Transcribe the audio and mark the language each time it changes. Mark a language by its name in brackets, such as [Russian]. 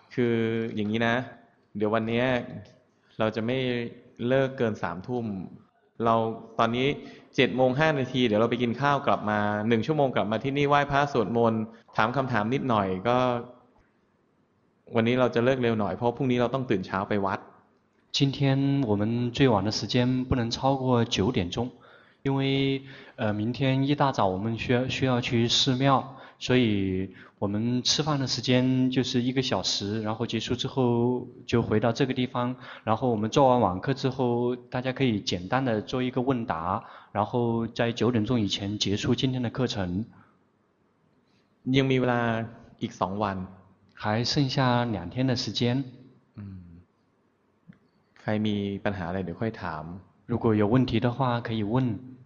[Thai] คืออย่างนี้นะเดี๋ยววันนี้เราจะไม่เลิกเกินสามทุ่มเราตอนนี้เจ็ดโมงห้านาทีเดี๋ยวเราไปกินข้าวกลับมาหนึ่งชั่วโมงกลับมาที่นี่ไหว้พระสวดมนต์ถามคำถามนิดหน่อยก็วันนี้เราจะเลิกเร็วหน่อยเพราะพรุ่งนี้เราต้องตื่นเช้าไปวัด [Chinese] 今天我们最晚的时间不能超过九点钟因为明天一大早我们需要去寺庙所以我们吃饭的时间就是一个小时然后结束之后就回到这个地方然后我们做完网课之后大家可以简单的做一个问答然后在九点钟以前结束今天的课程 [Thai] ยังมีเวลาอีก2วัน [Chinese] 还剩下两天的时间 [Thai] ใครมีปัญหาอะไรเดี๋ยวค่อยถาม [Chinese] 如果有问题的话可以问